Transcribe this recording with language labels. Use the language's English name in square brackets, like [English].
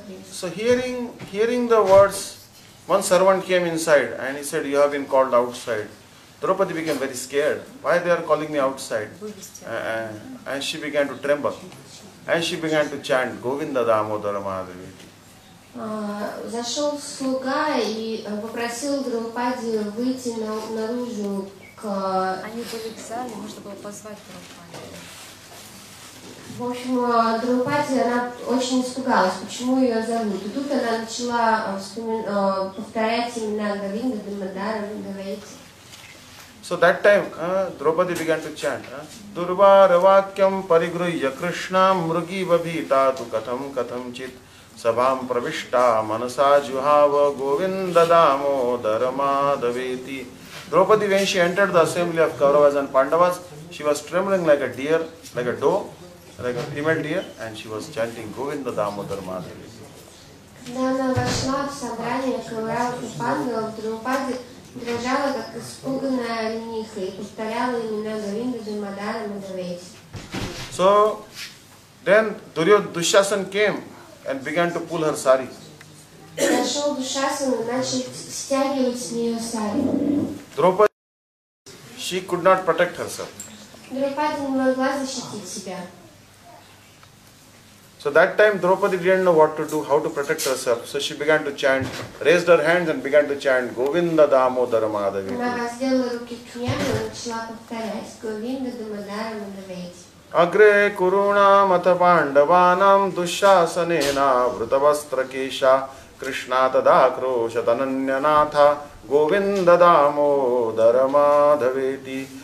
[English] So hearing the words, one servant came inside and he said, you have been called outside. Draupadi became very scared. Why they are calling me outside? And she began to tremble. And she began to chant, Govinda Damodara Mahadevi. [Russian] Зашел слуга и попросил Драупади выйти наружу. Они были в зале, можно было позвать Драупади. В общем, Драупади, она очень испугалась, почему ее зовут. И тут она начала повторять имена Говинда, Дамодара, Вингавейти. [English] So that time, Draupadi began to chant, [Sanskrit] Durvaravakyam parigruhya krishna mrugi vabhitatu katham katham chit sabham pravishta manasa juhava govinda damo dharma daveti. [English] Draupadi, when she entered the assembly of Kauravas and Pandavas, she was trembling like a deer, like a doe, like a female deer, and she was chanting govinda damo dharma daveti. [Russian] Когда она вошла в собрание Кауравов и Пандавов, Драупади дрожала, как испуганная лениха, и повторяла имена Говинды, Дурмадара, Мадавейти. [English] So, then Dushyasan came and began to pull her sari. [Russian] Зашел Dushyasan и начал стягивать с нее сари. [English] Draupadi, she could not protect herself. [Russian] Драупади не могла защитить себя. [English] So that time Draupadi didn't know what to do, how to protect herself. So she began to chant, raised her hands and began to chant, Govinda Damo Dara Madhavi. [Sanskrit] Agre Kuruna Mata Pandavanam Dushyasanena Vrutavastra Kesha Krishna Tada Krosha Tananyanatha Govinda Damo Dara Madhavi.